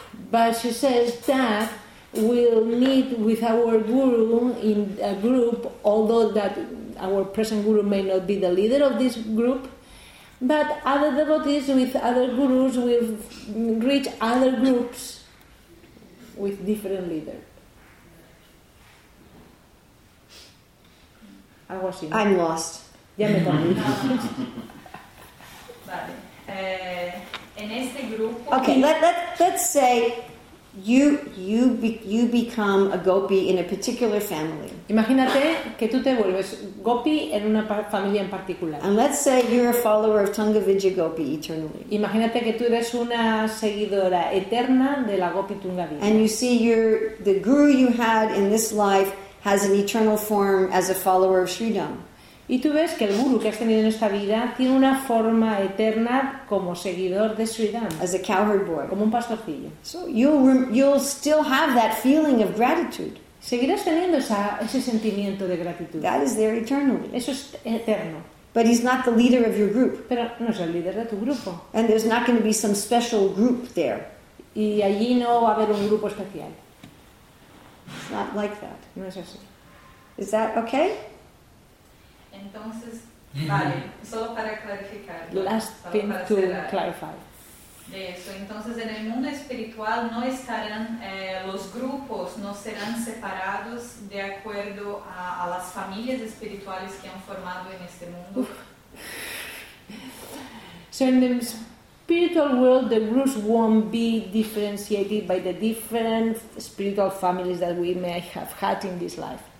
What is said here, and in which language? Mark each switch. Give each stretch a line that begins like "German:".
English: But she says that we'll meet with our guru in a group, although that our present guru may not be the leader of this group, but other devotees with other gurus will reach other groups with different leaders. I'm lost.
Spanish: Ya me perdí. Vale. En este grupo.
English: Okay, let's say You become a gopi in a particular family.
Spanish: Imagínate que tú te vuelves gopi en una familia en particular.
English: And let's say you're a follower of Tungavidya Gopi eternally.
Spanish: Imagínate que tú eres una seguidora eterna de la gopi Tungavidya.
English: And you see the guru you had in this life has an eternal form as a follower of Sridham.
Spanish: Y tú ves que el guru que has tenido en esta vida tiene una forma eterna como seguidor de Sridham.
English: As a cowherd boy.
Spanish: Como un pastorcillo.
English: So you'll still have that feeling of gratitude.
Spanish: Seguirás teniendo ese sentimiento de gratitud.
English: That is there eternally.
Spanish: Eso es eterno.
English: But he's not the leader of your group.
Spanish: Pero no es el líder de tu grupo.
English: And there's not going to be some special group there.
Spanish: Y allí no va a haber un grupo especial.
English: It's not like that.
Spanish: No es así.
English: Is that okay?
Spanish: Entonces, vale, solo para clarificar.
English: Last thing to clarify.
Spanish: De eso, entonces en el mundo espiritual no estarán, los grupos no serán separados de acuerdo a las familias espirituales que han formado en este mundo.
English: So in the spiritual world, the groups won't be differentiated by the different spiritual families that we may have had in this life.